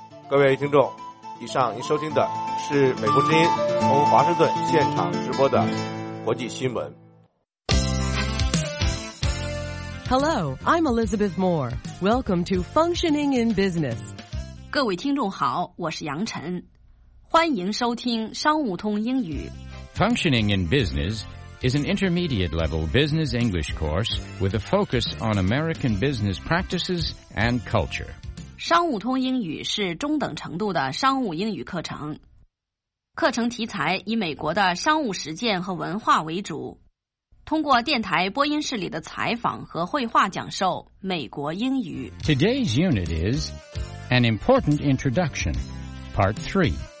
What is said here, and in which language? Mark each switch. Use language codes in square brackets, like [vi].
[zh] 各位听众，以上您收听的是美国之音从华盛顿现场直播的国际新闻。 [en] Hello, I'm Elizabeth Moore. Welcome to Functioning in Business. [zh] 各位听众好，我是杨晨，欢迎收听商务通英语。 [en] Functioning in Business is an intermediate level business English course with a focus on American business practices and culture. [zh] 商务通英语是中等程度的商务英语课程。课程题材以美国的商务实践和文化为主，通过电台播音室里的采访和绘画讲授美国英语。 [en] Today's unit is An Important Introduction, Part 3.